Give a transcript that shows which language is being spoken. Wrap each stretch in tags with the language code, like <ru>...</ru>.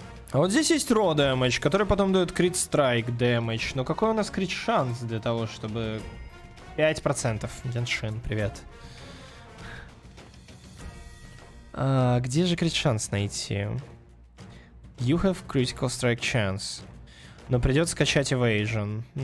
<ru>А вот здесь есть</ru> <en>raw damage,</en> <ru>который потом дает</ru> <en>crit strike damage.</en> <ru>Но какой у нас crit шанс для того, чтобы... 5%. Геншин, привет. А, где же crit шанс найти?</ru> <en>You have critical strike chance.</en> <ru>Но придется скачать evasion.</ru>